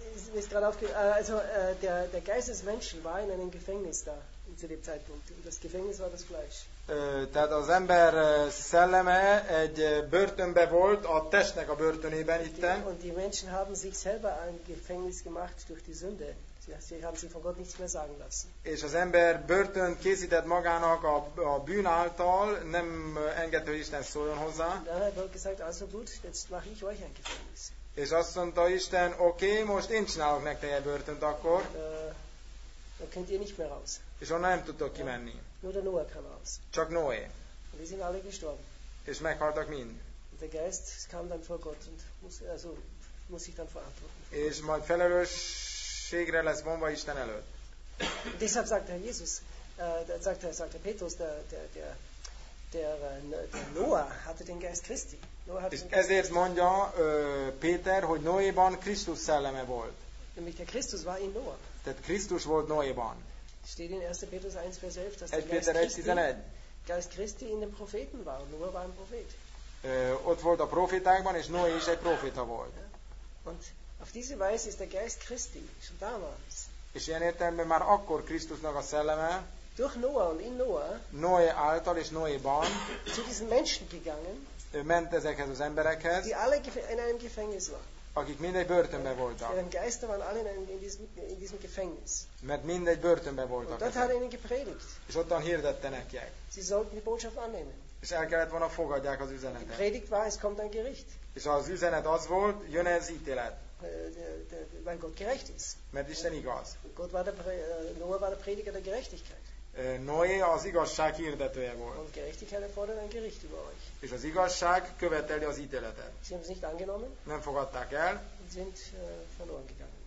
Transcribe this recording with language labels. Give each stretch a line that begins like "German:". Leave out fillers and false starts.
German: Der Geist des Menschen war in einem Gefängnis da. Zu dem Zeitpunkt. Und das Gefängnis war das Fleisch.
Hungarian: Tehát az ember szelleme egy börtönbe volt, a testnek a börtönében itten.
German: Und die Menschen haben sich selber ein Gefängnis gemacht durch die Sünde. Sie haben sich von Gott nichts mehr sagen lassen.
Hungarian: És az ember börtönt készített magának a bűn által, nem engedte, hogy Isten szóljon hozzá.
German: Dann hat Gott gesagt, also gut, jetzt mache ich euch ein Gefängnis.
Hungarian: És azt mondta Isten, okay, most én csinálok nektek egy börtönt akkor.
German: Dann könnt ihr nicht mehr raus.
Hungarian: És onnan nem tudtok kimenni.
German: Nur der Noah kam raus.
Hungarian: Csak Noé.
German: Und die sind alle gestorben.
Hungarian: És meghaltak mind.
German: Der Geist kam dann vor Gott und muss sich dann verantworten.
Hungarian: És majd felelősségre lesz vonva Isten előtt.
German: Deshalb sagt der Jesus, sagt der Petrus, der Noah hatte den Geist Christi.
Hungarian: Ezért mondja Péter, hogy Noéban Krisztus szelleme volt.
German: Nämlich der Christus war in Noah.
Hungarian: Tehát Krisztus volt Noéban.
German: Steht in 1. Petrus 1, Vers 11, dass der Geist Christi in den Propheten war. Und Noah war ein Prophet.
Hungarian: Ott volt a profétákban, és Noé is egy proféta volt.
German: Und auf diese Weise ist der Geist Christi schon damals.
Hungarian: És ilyen értelemben már akkor Krisztusnak a szelleme
German: durch Noah und in Noah
Hungarian: Noé által és Noéban
German: zu diesen Menschen gegangen,
Hungarian: ment ezekhez az emberekhez,
German: die alle in einem Gefängnis waren.
Hungarian: Akik mind egy börtönben voltak.
German: Ihre Geister waren alle in diesem Gefängnis.
Hungarian: Mert mind egy börtönben voltak.
German: Und dort hat er ihnen gepredigt.
Hungarian: És ottan hirdette nekik.
German: Sie sollten die Botschaft annehmen.
Hungarian: És el kellett volna fogadják az üzenetet.
German: Die Predigt war, es kommt ein Gericht.
Hungarian: És az üzenet az volt, jön ez ítélet.
German: Weil Gott gerecht ist.
Hungarian: Mert Isten igaz.
German: Gott war Noah war der Prediger der Gerechtigkeit.
Hungarian: Noé az igazság hirdetője volt.
German: Und Gerechtigkeit erfordert ein Gericht über euch.
Hungarian: És az igazság követeli az ítéletet.
German: Sie haben es nicht angenommen.
Hungarian: Nem fogadták el.
German: Und sind verloren gegangen.